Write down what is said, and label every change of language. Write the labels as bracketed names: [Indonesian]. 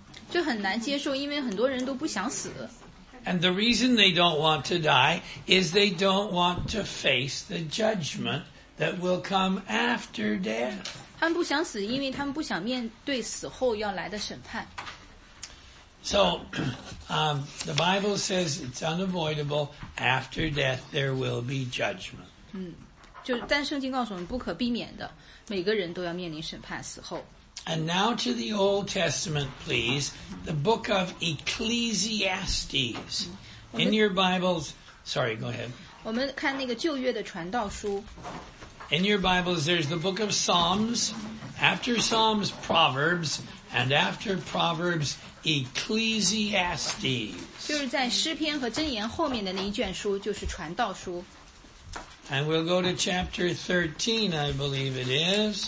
[Chinese] 就很难接受，因为很多人都不想死。 [English] And the reason they don't want to die is they don't want to face the judgment that will come after death. [Chinese] 他们不想死，因为他们不想面对死后要来的审判。 [English] So, the Bible says it's unavoidable. After death, there will be judgment. [Chinese] 就但圣经告诉我们不可避免的，每个人都要面临审判死后。 [English] And now to the Old Testament, please, the book of Ecclesiastes. In your Bibles, Sorry, go ahead. [Chinese] 我们看那个旧约的传道书。 [English] In your Bibles, there's the book of Psalms. After Psalms, Proverbs. And after Proverbs, Ecclesiastes. [Chinese] 就是在诗篇和箴言后面的那一卷书，就是传道书。 [English] And we'll go to chapter 13, I believe it is.